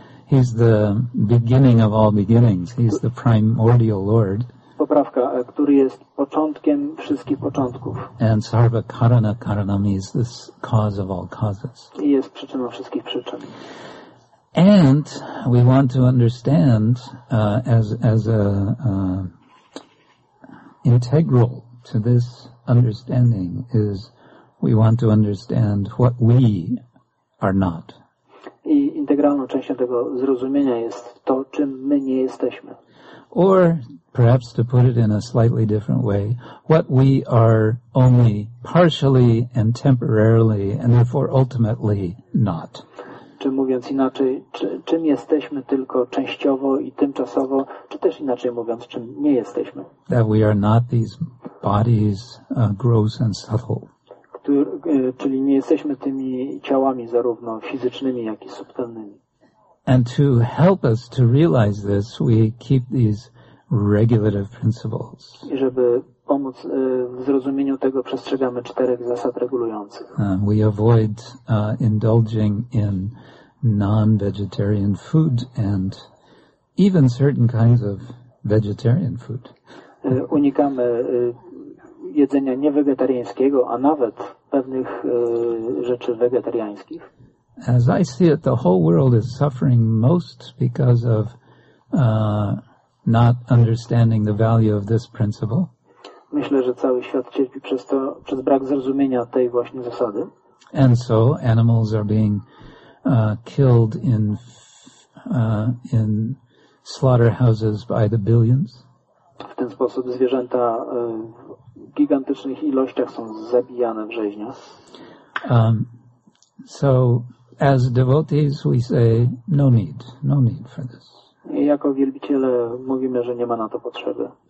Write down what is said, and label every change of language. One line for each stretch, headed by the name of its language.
English: He's the beginning of all beginnings. He's the primordial Lord.
Polish: Poprawka, który jest początkiem wszystkich początków.
English: And
Sanskrit: sarva karana karanam
English: is the cause of all causes.
Polish: I jest przyczyną wszystkich przyczyn.
English: And we want to understand as integral to this understanding is we want to understand what we are not.
Polish: I integralną częścią tego zrozumienia jest to, czym my nie jesteśmy.
English: Or perhaps to put it in a slightly different way, what we are only partially and temporarily and therefore ultimately not.
Polish: Czy mówiąc inaczej, czym jesteśmy tylko częściowo i tymczasowo, czy też inaczej mówiąc, czym nie jesteśmy.
English: That we are not these bodies, gross and subtle.
Polish: Czyli nie jesteśmy tymi ciałami zarówno fizycznymi, jak i subtelnymi.
English: And to help us to realize this, we keep these regulative principles.
Polish: I żeby pomóc w zrozumieniu tego, przestrzegamy czterech zasad regulujących.
English: We avoid indulging in non-vegetarian food and even certain kinds of vegetarian food.
Polish: Unikamy jedzenia niewegetariańskiego, a nawet pewnych rzeczy wegetariańskich.
English: As I see it, the whole world is suffering most because of not understanding the value of this principle.
Polish: Myślę, że cały świat cierpi przez brak zrozumienia tej właśnie zasady.
English: And so animals are being killed in slaughterhouses by the billions.
Polish: W ten sposób zwierzęta w gigantycznych ilościach są zabijane w rzeźniach.
English: So as devotees we say no need for this.
Polish: I jako wielbiciele mówimy, że nie ma na to potrzeby.